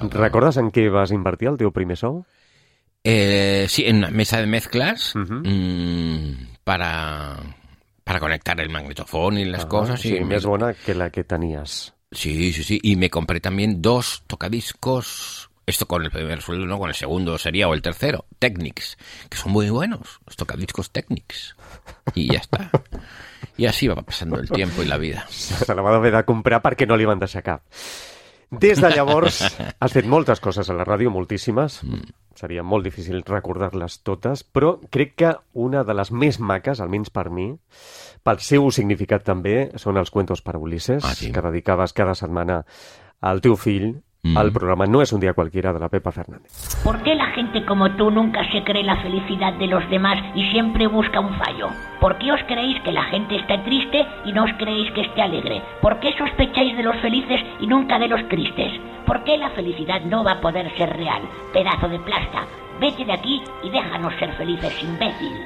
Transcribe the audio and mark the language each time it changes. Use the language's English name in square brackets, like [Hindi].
[Catalan] Recordes en què vas invertir el teu primer sou? [Spanish] Sí, en una mesa de mezclas. Uh-huh. Para conectar el magnetofón y las cosas. [Catalan] Sí, més bona que la que tenies. Sí, sí, sí. [Spanish] Y me compré también dos tocadiscos. Esto con el primer sueldo, no, con el segundo sería, o el tercero. Technics, que son muy buenos. Los tocadiscos Technics. Y ya está. [Catalan] I així va passant el temps i la vida. Se la va haver de comprar perquè no li van deixar cap. Des de llavors has fet moltes coses a la ràdio, moltíssimes. Seria molt difícil recordar-les totes, però crec que una de les més maques, almenys per mi, pel seu significat també, són els cuentos per Ulisses, sí, que dedicaves cada setmana al teu fill. El programa No és un dia cualquiera, de la Pepa Fernández. [Spanish] ¿Por qué la gente como tú nunca se cree la felicidad de los demás y siempre busca un fallo? ¿Por qué os creéis que la gente está triste y no os creéis que esté alegre? ¿Por qué sospecháis de los felices y nunca de los tristes? ¿Por qué la felicidad no va a poder ser real? Pedazo de plasta, vete de aquí y déjanos ser felices, imbécil.